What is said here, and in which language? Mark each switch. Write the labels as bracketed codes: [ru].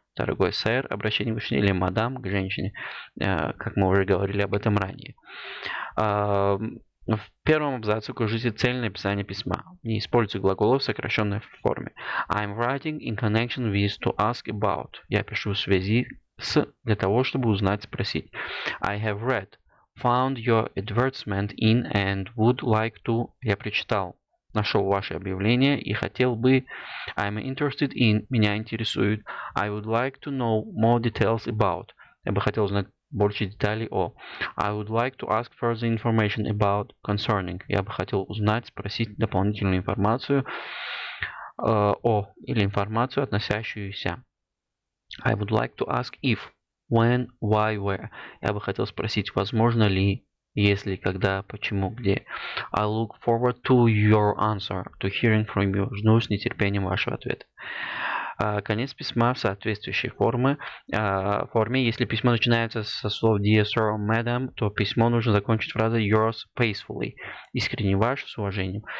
[ru] Дорогой сэр, обращение к мужчине или мадам, к женщине, как мы уже говорили об этом ранее. В первом абзаце укажите цель написания письма. Не используйте глаголов в сокращенной форме. [en] I'm writing in connection with to ask about. [ru] Я пишу в связи с для того, чтобы узнать, спросить. [en] I have read, found your advertisement in and would like to. [ru] Я прочитал, нашел ваше объявление и хотел бы. [en] I'm interested in, [ru] меня интересует. [en] I would like to know more details about. [ru] Я бы хотел узнать больше деталей о. [en] I would like to ask further information about concerning. [ru] Я бы хотел узнать, спросить дополнительную информацию о или информацию, относящуюся. [en] I would like to ask if, when, why, where. [ru] Я бы хотел спросить, возможно ли, если, когда, почему, где. [en] I look forward to your answer, to hearing from you. [ru] Жду с нетерпением вашего ответа. Конец письма в соответствующей форме. Если письмо начинается со слов [en] Dear Sir or Madam, [ru] то письмо нужно закончить фразой [en] Yours faithfully. [ru] Искренне ваш, с уважением.